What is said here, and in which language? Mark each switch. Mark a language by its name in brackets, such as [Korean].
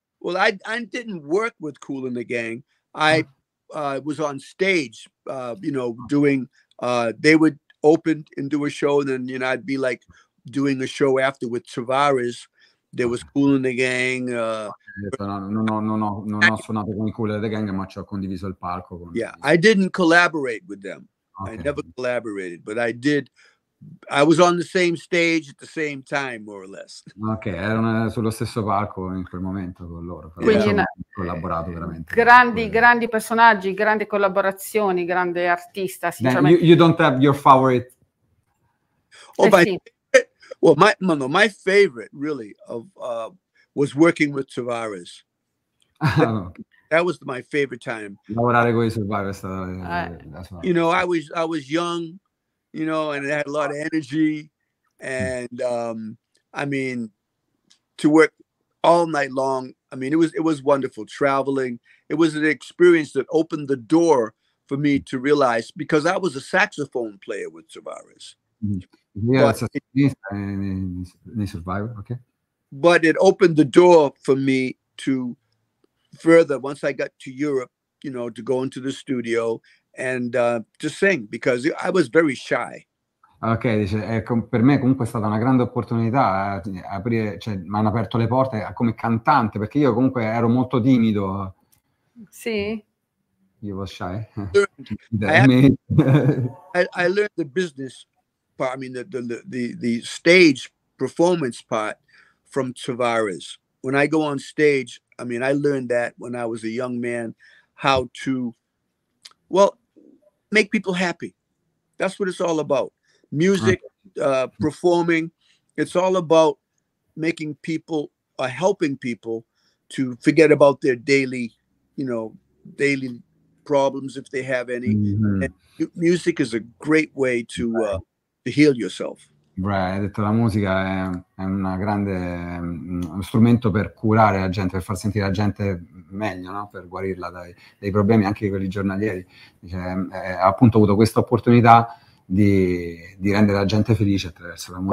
[English] Well, I didn't work with Kool & the Gang. I was on stage, doing, they would open and do a show, and then, I'd be like doing a show after with Tavares, there was Cool in the Gang. [Italian] Non ho suonato con i Cool in the Gang, ma ci ho condiviso il palco con. [English] Yeah, I didn't collaborate with them. Okay. I never collaborated, but I did. I was on the same stage at the same time, more or less. [Italian] Okay, erano sullo stesso palco in quel momento con loro. Quindi collaborato veramente. Grandi, grandi personaggi, grandi collaborazioni, grande artista. Sinceramente. [English] You don't have your favorite. Oh, my. Well, my favorite really of was working with Tavares. That was my favorite time. [Italian] Lavorare con i Survivor è stato. [English] You know, I was young, you know, and I had a lot of energy, and I mean, to work all night long. I mean, it was wonderful traveling. It was an experience that opened the door for me to realize, because I was a saxophone player with Tavares. But it opened the door for me to further, once I got to Europe, you know, to go into the studio and to sing, because I was very shy. [Italian] Ok, dice, per me comunque è stata una grande opportunità aprire, cioè mi hanno aperto le porte come cantante, perché io comunque ero molto timido. Sì. [English] Io was shy. I learned the business part, I mean the stage performance part from Tavares. When I go on stage, I mean, I learned that when I was a young man, how to, well, make people happy. That's what it's all about. Music, performing, it's all about making people, helping people to forget about their daily, you know, daily problems, if they have any. Mm-hmm. And music is a great way to heal yourself. [Italian] Right, ha detto la musica è una grande strumento per curare la gente, per far sentire la gente meglio, no? Per guarirla dai problemi, anche di quelli giornalieri. Dice, ha appunto avuto questa opportunità di rendere la gente felice attraverso la musica.